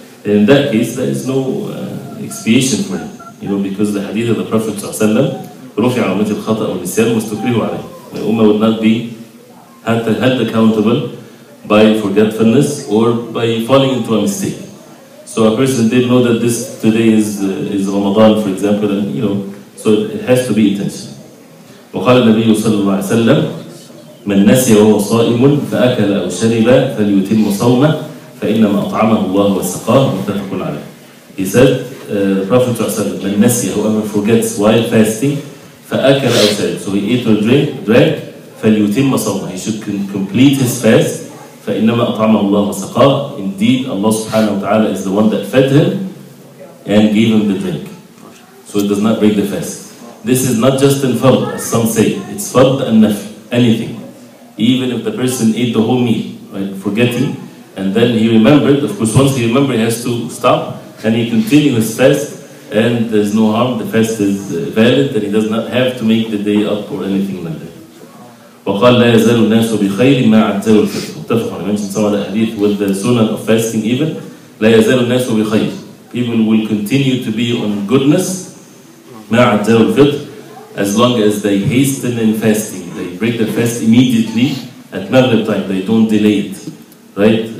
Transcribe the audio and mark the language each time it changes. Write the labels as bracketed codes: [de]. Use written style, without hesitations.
[en] And in that case, there is no expiation for him, you know, because the hadith of the Prophet ﷺ, [ar] رُفِعَ عَمَتِ الْخَطَأُ وَالْنِسْيَانُ وَاسْتُكْرِهُ عَلَيْهِ. [en] My ummah would not be held accountable by forgetfulness or by falling into a mistake. So a person did know that this today is Ramadan, for example, and you know, so it has to be intentional. [ar] وقال النبي صلى الله عليه وسلم من نسي وهو صائم فأكل أو شرب فليتم صومه فإنما أطعمه الله وسقاه متفق عليه. [en] He said, Prophet ﷺ, [ar] من نسي, [en] whoever forgets while fasting, [ar] فأكل أو شرب. [en] So he ate or drank, [ar] فَلْيُتِمَّ صَوْمَهُ. [en] He should complete his fast. [ar] فَإِنَّمَا أَطْعَمَهُ اللَّهُ وَسَقَاهُ. [en] Indeed, Allah subhanahu wa ta'ala is the one that fed him and gave him the drink. So it does not break the fast. This is not just in fard, as some say. It's fard and nafl, anything. Even if the person ate the whole meal, right, forgetting, and then he remembered, of course, once he remembered, he has to stop, and he continues his fast, and there's no harm, the fast is valid, and he does not have to make the day up or anything like that. [ar] وقال لا يزال الناس بخير ما عدوا الفطر. متفق عليه. [en] Mentioned some of the hadith with the sunnah of fasting even. [ar] لا يزال الناس بخير. [en] People will continue to be on goodness [ar] ما عدوا الفطر [en] as long as they hasten in fasting. They break the fast immediately at Maghrib time. They don't delay it. Right?